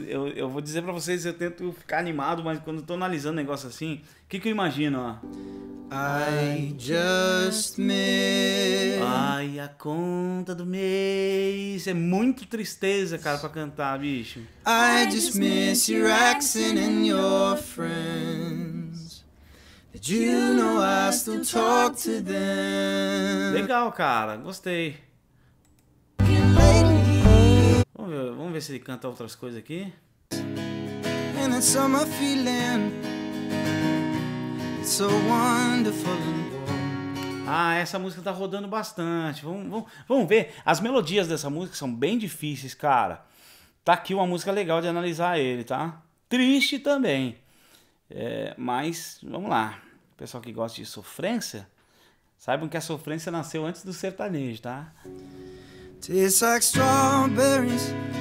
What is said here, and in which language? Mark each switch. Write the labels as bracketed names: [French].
[Portuguese] Eu vou dizer pra vocês, eu tento ficar animado, mas quando eu tô analisando um negócio assim, o que que eu imagino, ó? [English] I just miss. [Portuguese] Ai, a conta do mês. É muito tristeza, cara, pra cantar, bicho. [English] I just miss your accent and your friends. Did you know I still talk to them? [Portuguese] Legal, cara, gostei. Vamos ver se ele canta outras coisas aqui. [English] And it's on my feeling. So wonderful. [Portuguese] Ah, essa música tá rodando bastante. Vamos ver. As melodias dessa música são bem difíceis, cara. Tá aqui uma música legal de analisar ele, tá? Triste também. É, mas vamos lá. Pessoal que gosta de sofrência, saibam que a sofrência nasceu antes do sertanejo, tá? [English] Tastes like strawberries.